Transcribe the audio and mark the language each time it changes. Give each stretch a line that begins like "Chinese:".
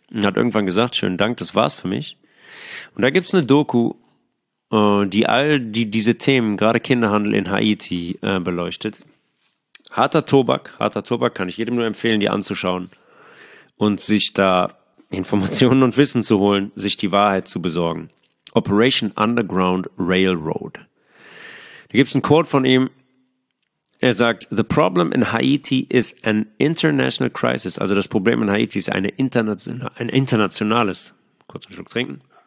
German: Und hat irgendwann gesagt, schönen Dank, das war's für mich. Und da gibt's eine Doku, die all diese Themen, gerade Kinderhandel in Haiti, beleuchtet. Harter Tobak, kann ich jedem nur empfehlen, die anzuschauen. Und sich da Informationen und Wissen zu holen, sich die Wahrheit zu besorgen. Operation Underground Railroad. Da gibt es ein Quote von ihm. Er sagt,
English: the problem in Haiti is an international crisis.
German: Also das Problem in Haiti ist ein internationales. Kurz einen Schluck trinken.